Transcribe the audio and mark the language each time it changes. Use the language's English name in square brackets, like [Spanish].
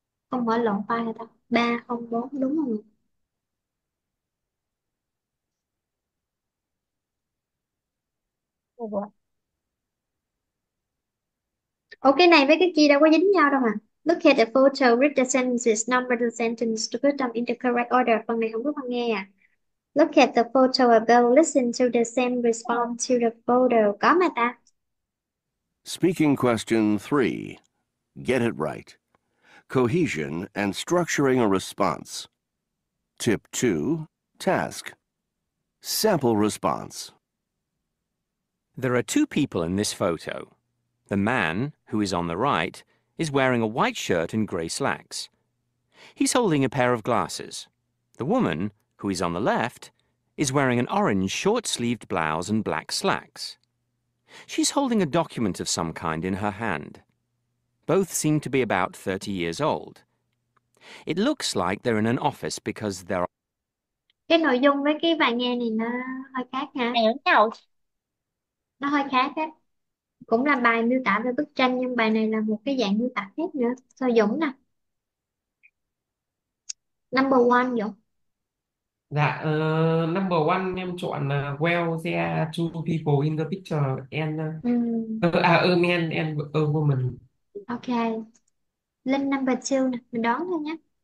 [Vietnamese] Không phải lộn ba người ta, 304 đúng không? Ủa? Ủa cái này với cái kia đâu có dính nhau đâu mà. [English] Look at the photo, read the sentences, number the sentence to put them in the correct order. [Vietnamese] Phần này không có phần nghe à. [English] Look at the photo above, listen to the same response to the photo. [Vietnamese] Có mà ta. [English] Speaking question three. Get it right. Cohesion and structuring a response. Tip two, task. Sample response. There are two people in this photo. The man, who is on the right, is wearing a white shirt and grey slacks. He's holding a pair of glasses. The woman, who is on the left, is wearing an orange short-sleeved blouse and black slacks. She's holding a document of some kind in her hand. Both seem to be about 30 years old. It looks like they're in an office because they're... [Vietnamese] Cái nội dung với cái bài nghe này nó hơi khác nha. Nè nhau. Nó hơi khác á. Cũng là bài miêu tả về bức tranh nhưng bài này là một cái dạng miêu tả khác nữa. Sao Dũng nè. [English] Number one Dũng. [Vietnamese] Dạ, [English] number one [Vietnamese] em chọn [English] well, there are two people in the picture and a man and a woman. Ok. Link number two [Vietnamese] nè, mình đoán thôi nhé.